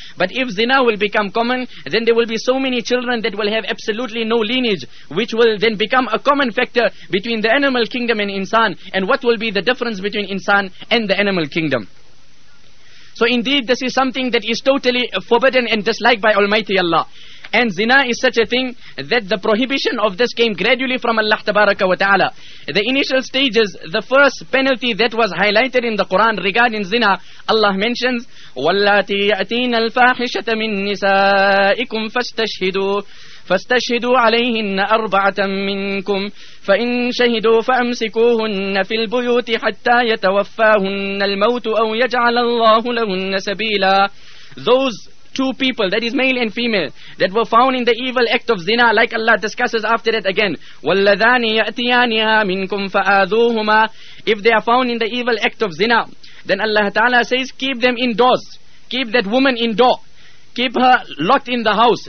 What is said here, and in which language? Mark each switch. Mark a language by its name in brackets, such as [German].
[English] But if zina will become common, then there will be so many children that will have absolutely no lineage, which will then become a common factor between the animal kingdom and insan. And what will be the difference between insan and the animal kingdom? So indeed, this is something that is totally forbidden and disliked by Almighty Allah. And zina is such a thing that the prohibition of this came gradually from Allah Tabaraka wa Ta'ala. The initial stages, the first penalty that was highlighted in the Quran regarding zina, Allah mentions, [Arabic] وَالَّتِي يَأْتِينَ الْفَاحِشَةَ مِن نِسَائِكُمْ فَاسْتَشْهِدُوا عَلَيْهِنَّ أَرْبَعَةً مِّنْكُمْ فَإِنْ شَهِدُوا فَأَمْسِكُوهُنَّ فِي الْبُيُوتِ حَتَّى يَتَوَفَّاهُنَّ الْمَوْتُ أَوْ يَجْعَلَ اللَّهُ لَهُنَّ سَبِيلًا. [English] Those two people, that is male and female, that were found in the evil act of zina, like Allah discusses after that again, [Arabic] وَالَّذَانِ يَأْتِيَانِهَا مِنْكُمْ فَآذُوهُمَا. [English] If they are found in the evil act of zina, then Allah Ta'ala says, keep them indoors, keep that woman indoor, keep her locked in the house.